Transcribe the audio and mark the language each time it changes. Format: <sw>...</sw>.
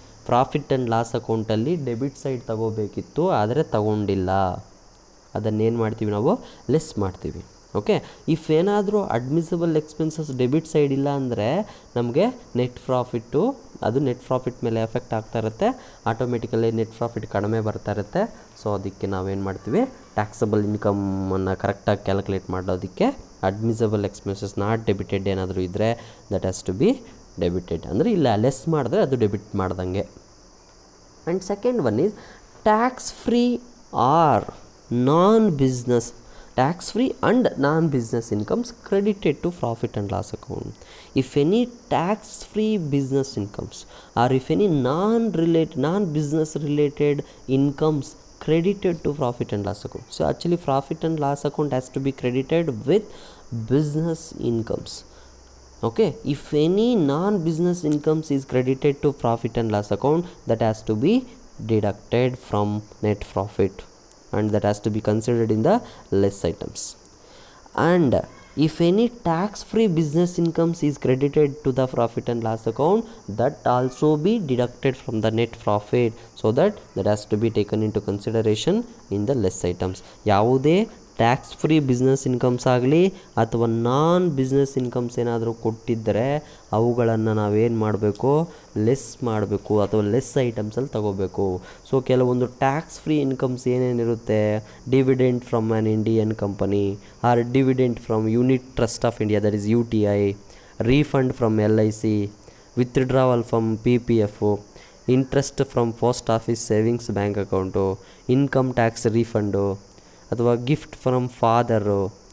<kn>Profit and loss account alli debit side tagobekittu, adare tagondilla. Adanne en martivi naavu, less martivi. Okay, if enadru admissible expenses debit side illa andre namge net profit to, ಅದು net profit ಮೇಲೆ effect ಆಗ್ತಾ ಇರುತ್ತೆ, automatically net profit ಕಡಿಮೆ ಬರ್ತಾ ಇರುತ್ತೆ. So ಅದಕ್ಕೆ ನಾವೇನು ಮಾಡ್ತೀವಿ, ಟ್ಯಾಕ್ಸಬಲ್ ಇನ್ಕಮನ್ನು ಕರೆಕ್ಟಾಗಿ ಕ್ಯಾಲ್ಕುಲೇಟ್ ಮಾಡೋದಕ್ಕೆ ಅಡ್ಮಿಸಬಲ್ ಎಕ್ಸ್ಪೆನ್ಸಸ್ ನಾಟ್ ಡೆಬಿಟೆಡ್ ಏನಾದರೂ ಇದ್ದರೆ</kn> <en>that has to be debited,</en> <kn>ಅಂದರೆ ಇಲ್ಲ ಲೆಸ್ ಮಾಡಿದ್ರೆ ಅದು ಡೆಬಿಟ್ ಮಾಡ್ದಂಗೆ.</kn> <en>And second one is tax free or non business, tax free and non business incomes credited to profit and loss account. If any tax free business incomes or if any non related non business related incomes credited to profit and loss account. So actually profit and loss account has to be credited with business incomes. Okay, if any non business incomes is credited to profit and loss account, that has to be deducted from net profit. And that has to be considered in the less items. And if any tax-free business incomes is credited to the profit and loss account, that also be deducted from the net profit. So that has to be taken into consideration in the less items.</en> <kn>Yavude tax free business incomes ಆಗಲಿ ಅಥವಾ ನಾನ್ business incomes ಏನಾದರೂ ಕೊಟ್ಟಿದ್ದರೆ ಅವುಗಳನ್ನು ನಾವೇನು ಮಾಡಬೇಕು, less ಮಾಡಬೇಕು ಅಥವಾ less ಐಟಮ್ಸಲ್ಲಿ ತಗೋಬೇಕು.</kn> <en>so</en> <kn>ಕೆಲವೊಂದು</kn> <en>tax free incomes</en> <kn>ಏನೇನಿರುತ್ತೆ,</kn> <en>dividend from an Indian company, or dividend from Unit Trust of India that is U T I, refund from L I C, withdrawal from P P F, interest from post office savings bank account, income tax refund,</en> <kn>ಅಥವಾ</kn> <en>gift from father,</en>